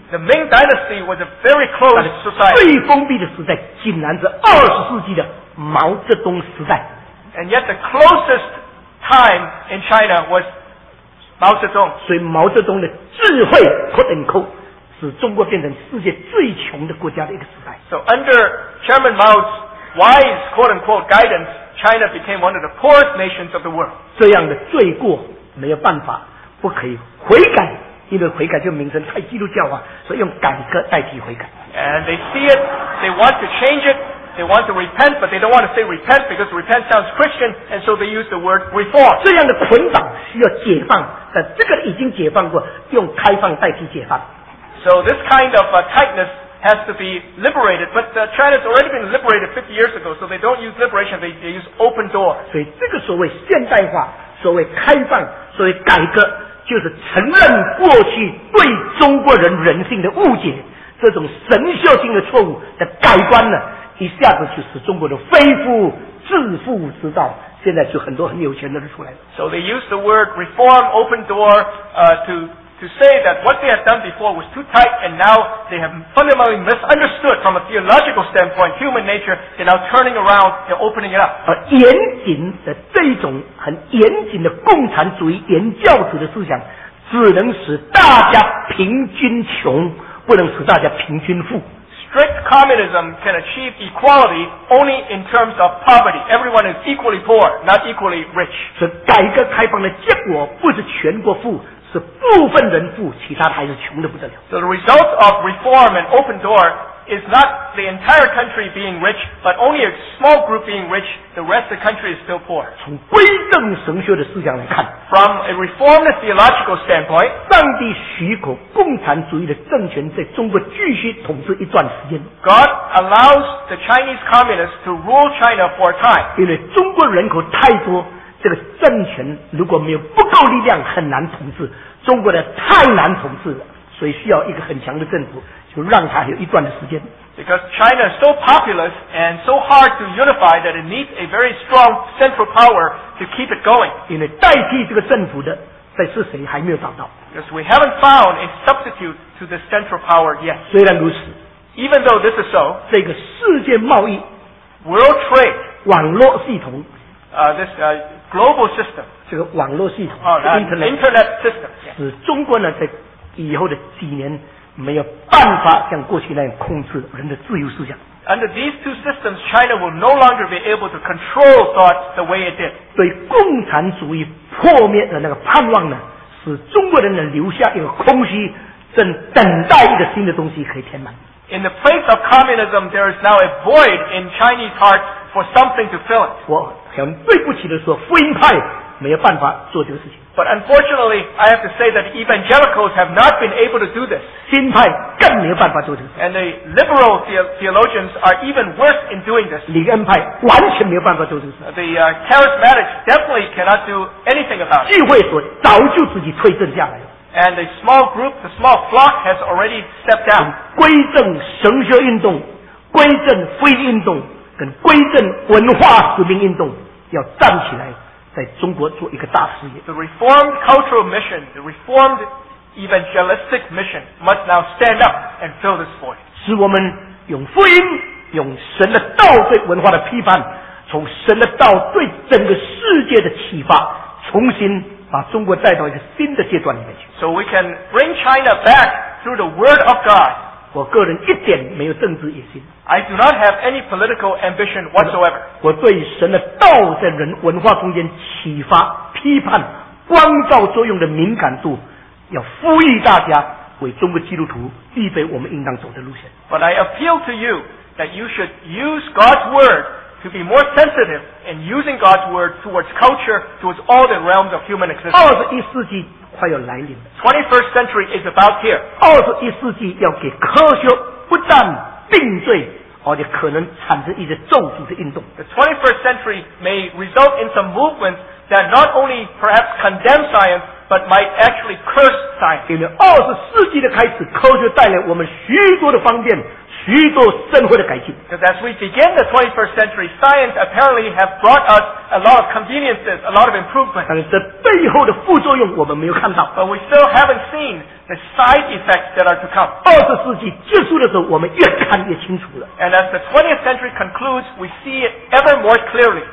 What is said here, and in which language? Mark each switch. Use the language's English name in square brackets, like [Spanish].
[English] The Ming Dynasty was a very closed society. [Chinese] 最封闭的时代竟然是二十世纪的毛泽东时代。 [English] And yet the closest time in China was Mao Zedong. [Chinese] 所以毛泽东的智慧 [English] quote unquote [Chinese] 使中国变成世界最穷的国家的一个时代。 [English] So under Chairman Mao's wise quote unquote guidance, China became one of the poorest nations of the world. [Chinese] 这样的罪过没有办法，不可以悔改，因为悔改就名声太基督教化，所以用改革代替悔改。 [English] And they see it, they want to change it, they want to repent, but they don't want to say repent because repent sounds Christian, and so they use the word reform. [Chinese] 这样的捆绑需要解放，但这个已经解放过，用开放代替解放。 [English] So this kind of tightness has to be liberated, but China's already been liberated 50 years ago, so they don't use liberation, they use open door. [Chinese] 所以这个所谓现代化，所谓开放，所谓改革，就是承认过去对中国人人性的误解，这种神秀性的错误的改观呢，一下子就使中国的恢复致富之道。现在就很多很有钱的人出来了。 [English] So they use the word reform, open door, to to say that what they had done before was too tight and now they have fundamentally misunderstood from a theological standpoint human nature, they're now turning around, they're opening it up. [Chinese] 严谨的这种很严谨的共产主义严教主的思想只能使大家平均穷不能使大家平均富。 [English] Strict communism can achieve equality only in terms of poverty. Everyone is equally poor, not equally rich. [Chinese] 是改革开放的结果不是全国富是部分人富其他还是穷得不得了。 [English] So the result of reform and open door is not the entire country being rich, but only a small group being rich, the rest of the country is still poor. [Chinese] 从归正神学的思想来看 [English] From a reformed theological standpoint, [Chinese] 上帝许可共产主义的政权在中国继续统治一段时间 [English] God allows the Chinese communists to rule China for a time. [Chinese] 因为中国人口太多这个政权如果没有不够力量很难统治中国的太难统治了所以需要一个很强的政府就让它有一段的时间 [English] Because China is so populous and so hard to unify that it needs a very strong central power to keep it going [Chinese] 因为代替这个政府的在是谁还没有找到 [English] Because we haven't found a substitute to this central power yet [Chinese] 虽然如此 [English] Even though this is so [Chinese] 这个世界贸易 [English] World trade [Chinese] 网络系统 [English] global system [Chinese] 这个网络系统 [English] Internet system [Chinese] 使中国呢在以后的几年没有办法像过去那样控制人的自由思想。 [English] Under these two systems, China will no longer be able to control thought the way it did. [Chinese] 对共产主义破灭的那个盼望呢，使中国人呢留下一个空虚，正等待一个新的东西可以填满。 [English] In the place of communism, there is now a void in Chinese hearts for something to fill it. [Chinese] 我很对不起的说，福音派没有办法做这个事情。 [English] But unfortunately, I have to say that evangelicals have not been able to do this. [Chinese] 新派更没有办法做这个。 [English] And the liberal theologians are even worse in doing this. [Chinese] 灵恩派完全没有办法做这个。 [English] The charismatics definitely cannot do anything about it. [Chinese] 聚会所早就自己退阵下来了。 [English] And the small group, the small flock has already stepped down. [Chinese] 归正神学运动、归正福音运动跟归正文化使命运动要站起来。在中国做一个大事业。 [English] The reformed cultural mission, the reformed evangelistic mission must now stand up and fill this void. [Chinese] 使我们用福音，用神的道对文化的批判，从神的道对整个世界的启发，重新把中国带到一个新的阶段里面去。 [English] So we can bring China back through the word of God. [Chinese] 我个人一点没有政治野心。 [English] I do not have any political ambition whatsoever. [Chinese] 我对神的道在人文化中间启发、批判、光照作用的敏感度，要呼吁大家为中国基督徒预备我们应当走的路线。 [English] But I appeal to you that you should use God's word to be more sensitive in using God's word towards culture, towards all the realms of human existence. [Chinese] 21世纪快要来临了。 [English] 21st century is about here. [Chinese] 21世纪要给科学不但定罪而且可能产生一些咒诅的运动 [English] The 21st century may result in some movements that not only perhaps condemn science but might actually curse science [Chinese] 因为20世纪的开始科学带来我们许多的方便许多生活的改进 [English] Because as we begin the 21st century science apparently have brought us a lot of conveniences a lot of improvements [Chinese] 但是这背后的副作用我们没有看到 [English] But we still haven't seenThe side effects that are to come. [Chinese] 20世纪结束的时候，我们越看越清楚了。 [English] And as the 20th century concludes, we see it ever more clearly.